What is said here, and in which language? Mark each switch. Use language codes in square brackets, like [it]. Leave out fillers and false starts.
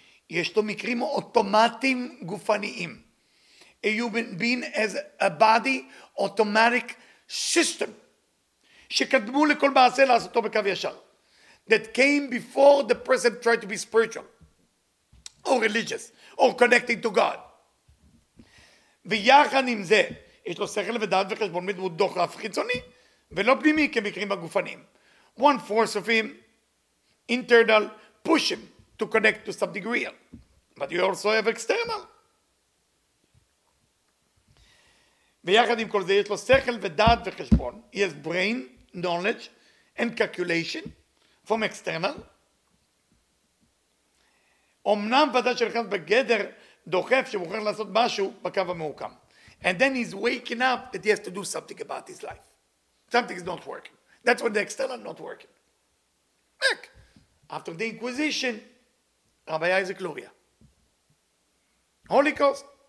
[he] יש לו מקרים אוטומטיים גופניים. [en] A human being as a body, automatic system. [he] שקדמו לכל מעשה לעשותו בקו ישר. [en] That came before the person tried to be spiritual. Or religious. Or connecting to God. [he] ויחד עם זה, יש לו שכל ודעת וחשבון מדמות דוחף חיצוני, ולא פנימי כמקרים הגופניים. [en] One force of him, internal, push him to connect to something real. But you also have external. [he] ויחד עם כל זה, יש לו שכל ודעת וחשבון. [en] He has brain, knowledge, and calculation from external. [he] אמנם ודע שלכם בגדר דוחף שמוכר לעשות משהו בקו המעוקם. [en] And then he's waking up that he has to do something about his life. Something is not working. That's when the external is not working. Back. After the Inquisition, Rabbi Isaac Luria. Holy Ghost.